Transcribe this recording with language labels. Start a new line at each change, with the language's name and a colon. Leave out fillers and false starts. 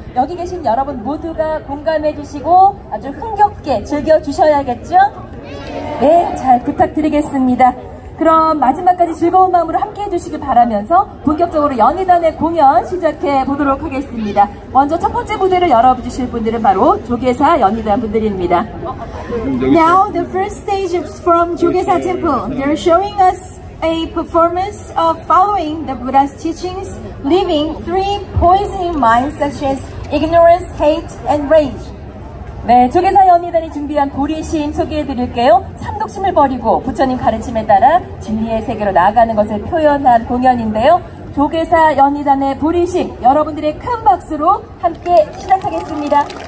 Korean: 여기 계신 여러분 모두가 공감해 주시고 아주 흥겹게 즐겨 주셔야겠죠? 네, 잘 부탁드리겠습니다. 그럼 마지막까지 즐거운 마음으로 함께해 주시길 바라면서 본격적으로 연희단의 공연 시작해 보도록 하겠습니다. 먼저 첫 번째 무대를 열어주실 분들은 바로 조계사 연희단 분들입니다.
English: Now the first stage is from 조계사 temple. They're showing us a performance of following the Buddha's teachings, leaving three poisoning minds such as ignorance, hate, and rage.
Korean: 네, 조계사 연희단이 준비한 보리심 소개해드릴게요. 삼독심을 버리고 부처님 가르침에 따라 진리의 세계로 나아가는 것을 표현한 공연인데요. 조계사 연희단의 보리심, 여러분들의 큰 박수로 함께 시작하겠습니다.